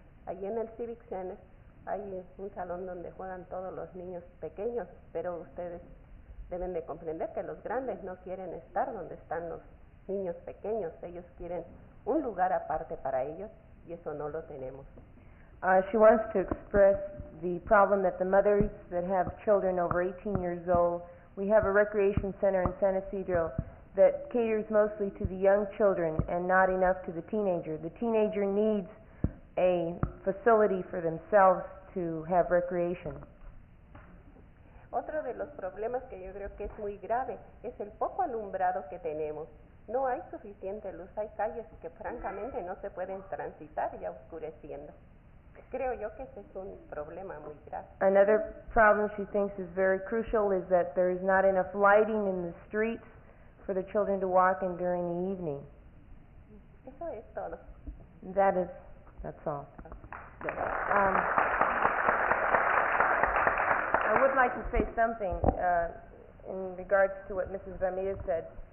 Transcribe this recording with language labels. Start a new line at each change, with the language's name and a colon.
Spanish: Allí en el Civic Center hay un salón donde juegan todos los niños pequeños, pero ustedes deben de comprender que los grandes no quieren estar donde están los niños pequeños. Ellos quieren un lugar aparte para ellos, y eso no lo tenemos.
English: She wants to express the problem that the mothers that have children over 18 years old, we have a recreation center in San Isidro that caters mostly to the young children and not enough to the teenager. The teenager needs a facility for themselves to have recreation.
Spanish: Otro de los problemas que yo creo que es muy grave es el poco alumbrado que tenemos. No hay suficiente luz, hay calles que francamente no se pueden transitar ya oscureciendo. Creo yo que ese es un problema muy grave.
English: Another problem she thinks is very crucial is that there is not enough lighting in the streets for the children to walk in during the evening.
Spanish: Eso es todo.
English: That's all. Okay. I would like to say something in regards to what Mrs. Ramirez said.